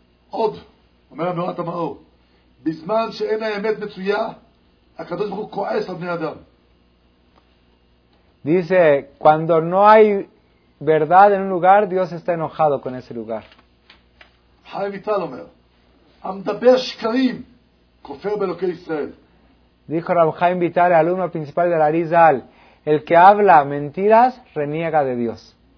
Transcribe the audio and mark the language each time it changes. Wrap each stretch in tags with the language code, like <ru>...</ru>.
<he>עוד, אומר המאורת המאור, בזמן שאין האמת מצויה, הקדוש ברוך הוא כועס על בני אדם.</he> <es>Dice, cuando no hay verdad en un lugar, Dios está enojado con ese lugar.</es> <he>חיים ויטל אומר, המדבר שקרים, כופר באלוקי ישראל.</he> <es>Dijo Rav Chaim Vital, el alumno principal de Arizal, el que habla mentiras, reniega de Dios.</es>